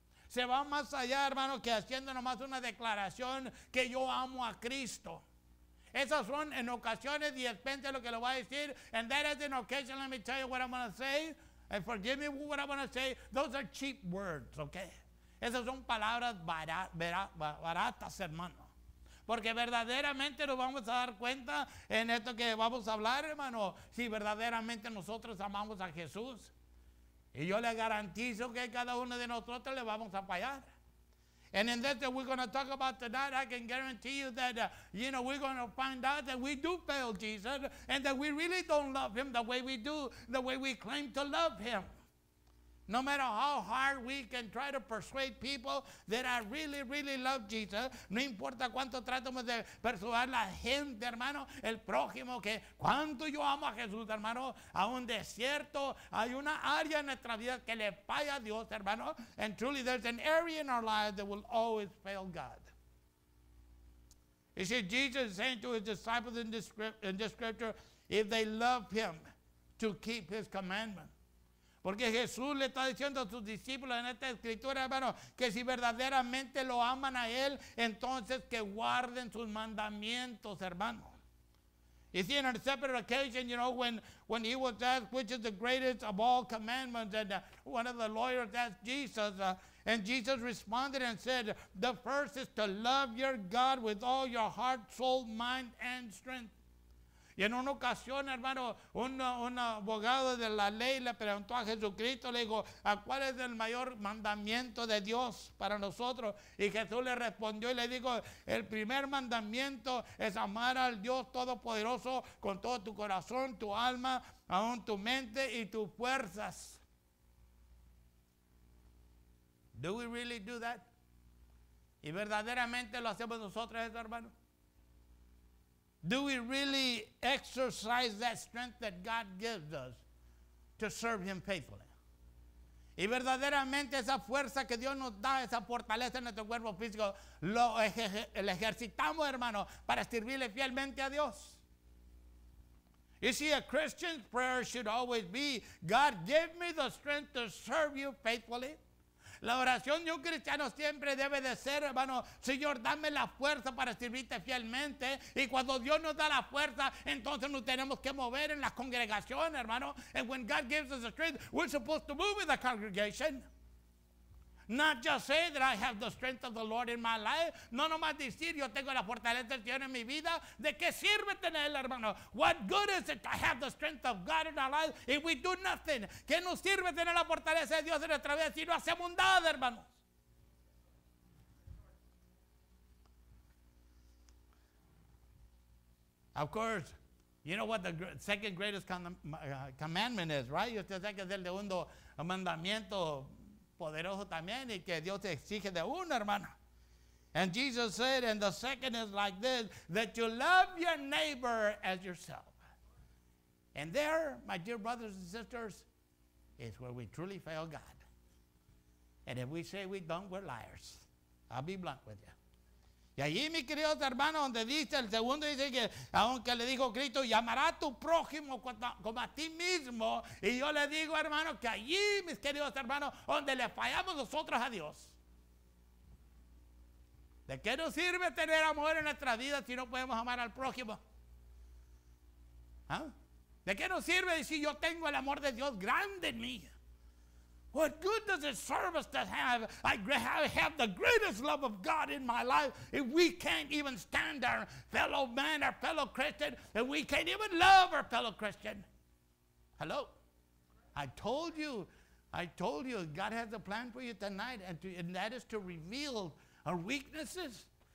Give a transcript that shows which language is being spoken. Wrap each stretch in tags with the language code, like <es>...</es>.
<es>Se va más allá, hermano, que haciendo nomás una declaración que yo amo a Cristo. Esas son en ocasiones, y depende de lo que le voy a decir,</es> <en>and that is an occasion, let me tell you what I'm going to say, and forgive me what I'm going to say, those are cheap words, okay?</en> <es>Esas son palabras baratas, hermano. Porque verdaderamente nos vamos a dar cuenta en esto que vamos a hablar, hermano, si verdaderamente nosotros amamos a Jesús. Y yo le garantizo que cada uno de nosotros le vamos a fallar.</es> <en>And in this that we're going to talk about tonight, I can guarantee you that, you know, we're going to find out that we do fail Jesus and that we really don't love him the way we do, the way we claim to love him. No matter how hard we can try to persuade people that I really, really love Jesus,</en> <es>no importa cuánto tratemos de persuadir la gente, hermano, el prójimo, que cuánto yo amo a Jesús, hermano, a un desierto, hay una área en nuestra vida que le falla a Dios, hermano,</es> <en>and truly there's an area in our lives that will always fail God. You see, Jesus is saying to his disciples in this scripture, if they love him, to keep his commandments.</en> <es>Porque Jesús le está diciendo a sus discípulos en esta escritura, hermano, que si verdaderamente lo aman a él, entonces que guarden sus mandamientos, hermano.</es> <en>You see, on a separate occasion, you know, when he was asked which is the greatest of all commandments, and one of the lawyers asked Jesus, and Jesus responded and said, the first is to love your God with all your heart, soul, mind, and strength.</en> <es>Y en una ocasión, hermano, un abogado de la ley le preguntó a Jesucristo, le dijo, ¿a cuál es el mayor mandamiento de Dios para nosotros? Y Jesús le respondió y le dijo, el primer mandamiento es amar al Dios Todopoderoso con todo tu corazón, tu alma, aún tu mente y tus fuerzas.</es> <en>¿Do we really do that?</en> <es>¿Y verdaderamente lo hacemos nosotros eso, hermano?</es> <en>Do we really exercise that strength that God gives us to serve him faithfully?</en> <es>Y verdaderamente esa fuerza que Dios nos da, esa fortaleza en nuestro cuerpo físico, lo ejercitamos, hermano, para servirle fielmente a Dios.</es> <en>You see, a Christian's prayer should always be, God, give me the strength to serve you faithfully.</en> <es>La oración de un cristiano siempre debe de ser, hermano, Señor, dame la fuerza para servirte fielmente. Y cuando Dios nos da la fuerza, entonces nos tenemos que mover en la congregación, hermano.</es> <en>And when God gives us the strength, we're supposed to move in the congregation. Not just say that I have the strength of the Lord in my life.</en> <es>No nomás decir, yo tengo la fortaleza del Señor en mi vida. ¿De qué sirve tenerla, hermano?</es> <en>What good is it to have the strength of God in our life if we do nothing?</en> <es>¿Qué nos sirve tener la fortaleza de Dios en nuestra vida si no hacemos nada, hermanos?</es> <en>Of course, you know what the second greatest commandment is, right?</en> <es>Usted sabe que es el segundo mandamiento poderoso también y que Dios te exige de uno, hermano.</es> <en>And Jesus said, and the second is like this, that you love your neighbor as yourself. And there, my dear brothers and sisters, is where we truly fail God. And if we say we don't, we're liars. I'll be blunt with you.</en> <es>Y allí, mi querido hermano, donde dice el segundo, dice que aunque le dijo Cristo, llamará a tu prójimo como a ti mismo. Y yo le digo, hermano, que allí, mis queridos hermanos, donde le fallamos nosotros a Dios. ¿De qué nos sirve tener amor en nuestra vida si no podemos amar al prójimo? ¿Ah? ¿De qué nos sirve si yo tengo el amor de Dios grande en mí?</es> <en>What good does it serve us to have I have the greatest love of God in my life if we can't even stand our fellow man, our fellow Christian, and we can't even love our fellow Christian? Hello? I told you God has a plan for you tonight, and that is to reveal our weaknesses.</en>